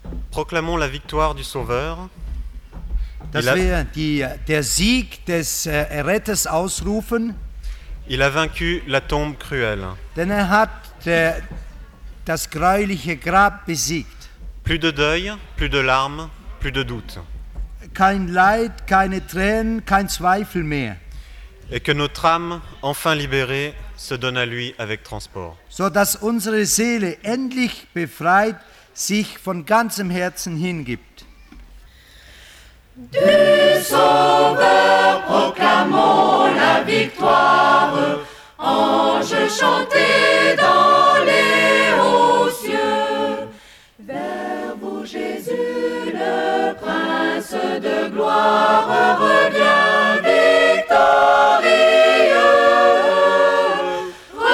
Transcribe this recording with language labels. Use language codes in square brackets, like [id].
[fr] proclamons la victoire du Sauveur. [de] Dass wir die, der Sieg des Erretters ausrufen. [fr] Il a vaincu la tombe cruelle. [de] Denn er hat das gräuliche Grab besiegt. [fr] Plus de deuil, plus de larmes, plus de doute. [de] Kein Leid, keine Tränen, kein Zweifel mehr. [fr] Et que notre âme, enfin libérée, se donne à lui avec transport. [de] So dass unsere Seele endlich befreit sich von ganzem Herzen hingibt. [fr] Du Sauveur, proclamons la victoire. Ange chanté dans les hauts cieux. Vers vous, Jésus, le prince de gloire, revient victorieux.